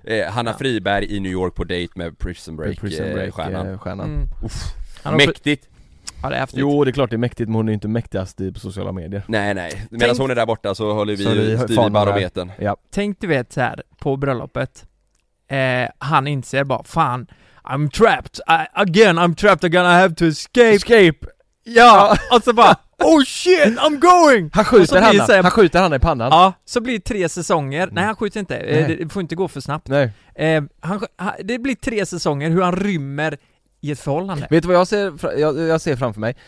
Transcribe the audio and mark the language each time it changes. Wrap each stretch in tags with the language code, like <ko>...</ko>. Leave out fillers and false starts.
<sv>Hanna Friberg i New York på date med Prison Break-stjärnan. Mäktigt. Ja, det är häftigt. Jo, det är klart det är mäktigt, men hon är inte mäktigast på sociala medier. Nej. Medan hon är där borta så håller vi styr i barometern. Ja. Tänk du vet så här, på bröllopet. Han inser bara, fan,</sv> <en>I'm trapped. I'm trapped again, I have to escape.</en> <sv>Ja, och så bara</sv> <en>oh shit, I'm going.</en> <sv>Han skjuter henne i pannan. Ja, så blir det 3 säsonger. Nej, han skjuter inte. Nej. Det får inte gå för snabbt. Nej. Det blir 3 säsonger hur han rymmer i ett förhållande. Vet du vad jag ser? Jag ser framför mig.</sv>